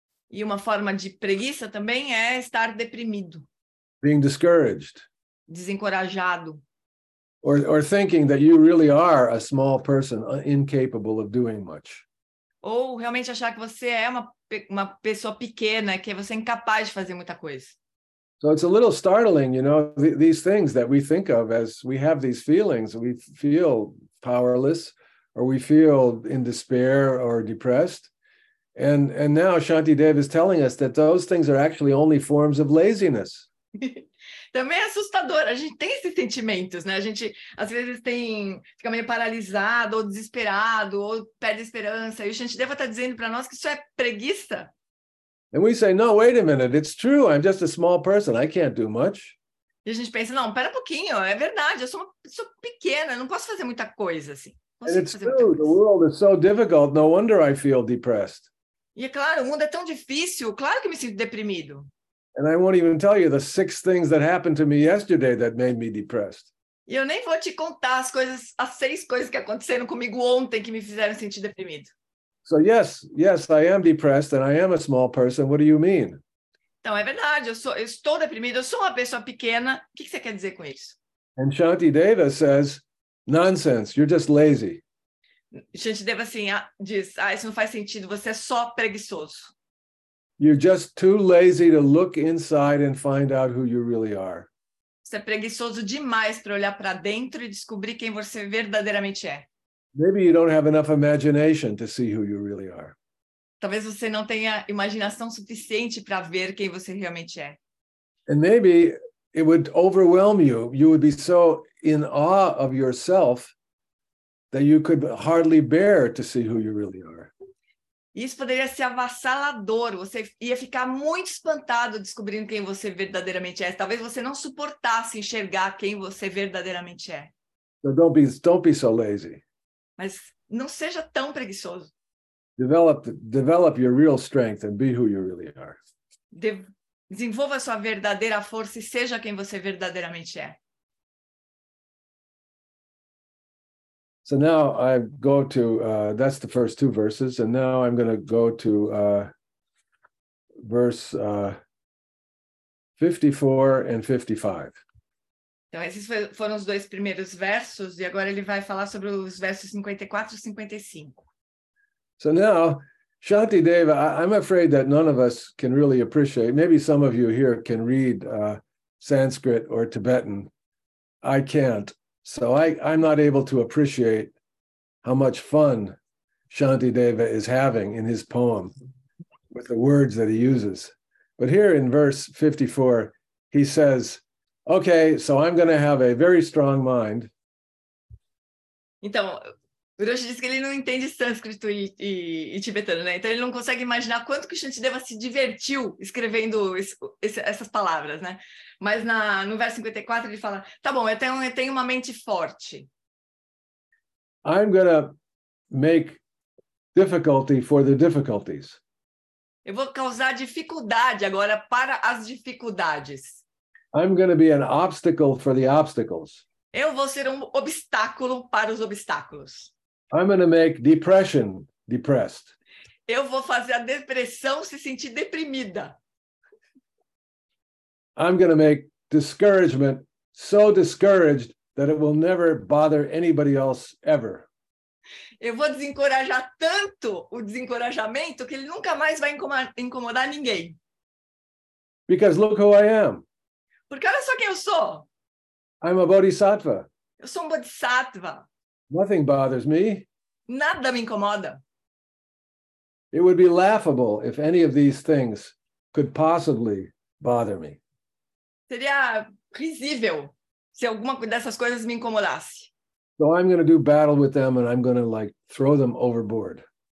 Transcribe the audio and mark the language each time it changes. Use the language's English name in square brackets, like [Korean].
[Portuguese] E uma forma de preguiça também é estar deprimido. [English] Being discouraged. [Portuguese] Desencorajado. [English] Or thinking that you really are a small person, incapable of doing much. [Portuguese] Ou realmente achar que você é uma pessoa pequena, que você é incapaz de fazer muita coisa. [English] So it's a little startling, you know, these things that we think of as we have these feelings, we feel powerless, or we feel in despair or depressed. And now Shanti Deva is telling us that those things are actually only forms of laziness. [Portuguese] Também é assustador. A gente tem esses sentimentos, né? A gente, às vezes, fica meio paralisado ou desesperado ou perde esperança. E o Shanti Deva está dizendo para nós que isso é preguiça. [English] And we say, no, wait a minute, it's true, I'm just a small person, I can't do much. [Portuguese] E a gente pensa, não, pera um pouquinho, é verdade, eu sou uma pessoa pequena, não posso fazer muita coisa assim. [English] And it's true, the world is so difficult, no wonder I feel depressed. [Portuguese] E é claro, o mundo é tão difícil, claro que me sinto deprimido. [English] And I won't even tell you the six things that happened to me yesterday that made me depressed. [Portuguese] E eu nem vou te contar as seis coisas que aconteceram comigo ontem que me fizeram sentir deprimido. [English] So yes, I am depressed and I am a small person. What do you mean? [Portuguese] Então, é verdade, eu estou deprimido, eu sou uma pessoa pequena. O que você quer dizer com isso? [English] And Shanti Deva says, nonsense, you're just lazy. [Portuguese] Shanti Deva diz, isso não faz sentido, você é só preguiçoso. [English] You're just too lazy to look inside and find out who you really are. [Portuguese] Você é preguiçoso demais para olhar para dentro e descobrir quem você verdadeiramente é. [English] Maybe you don't have enough imagination to see who you really are. [Portuguese] Talvez você não tenha imaginação suficiente para ver quem você realmente é. [English] And maybe it would overwhelm you. You would be so in awe of yourself that you could hardly bear to see who you really are. [Portuguese] Isso poderia ser avassalador. Você ia ficar muito espantado descobrindo quem você verdadeiramente é. Talvez você não suportasse enxergar quem você verdadeiramente é. [English] So don't be so lazy. [Portuguese] Mas não seja tão preguiçoso. [English] Develop your real strength and be who you really are. [Portuguese] Desenvolva a sua verdadeira força e seja quem você verdadeiramente é. [English] So now I go to that's the first two verses, and now I'm going to go to verse 54 and 55. [Portuguese] Então, esses foram os dois primeiros versos, e agora ele vai falar sobre os versos 54 e 55. [English] So now, Shanti Deva, I'm afraid that none of us can really appreciate, maybe some of you here can read Sanskrit or Tibetan. I can't. So I'm not able to appreciate how much fun Shanti Deva is having in his poem with the words that he uses. But here in verse 54, he says, okay, so I'm going to have a very strong mind. [Portuguese] Então, o Roshi disse que ele não entende sânscrito e tibetano, né? Então ele não consegue imaginar quanto que o Shanti Deva se divertiu escrevendo essas palavras, né? Mas no verso 54 ele fala, tá bom, eu tenho uma mente forte. [English] I'm going to make difficulty for the difficulties. [Portuguese] Eu vou causar dificuldade agora para as dificuldades. [English] I'm going to be an obstacle for the obstacles. [Portuguese] Eu vou ser um obstáculo para os obstáculos. [English] I'm going to make depression depressed. [Portuguese] Eu vou fazer a depressão se sentir deprimida. [English] I'm going to make discouragement so discouraged that it will never bother anybody else ever. [Portuguese] Eu vou desencorajar tanto o desencorajamento que ele nunca mais vai incomodar ninguém. [English] Because look who I am. [Portuguese] Porque olha só quem eu sou. [English] I'm a bodhisattva. [Portuguese] Eu sou um bodhisattva. [English] Nothing bothers me. [Portuguese] Nada me incomoda. [English] It would be laughable if any of these things could possibly bother me. [Portuguese] Seria risível se alguma dessas coisas me incomodasse. [English] So I'm going to do battle with them and I'm going to like throw them overboard.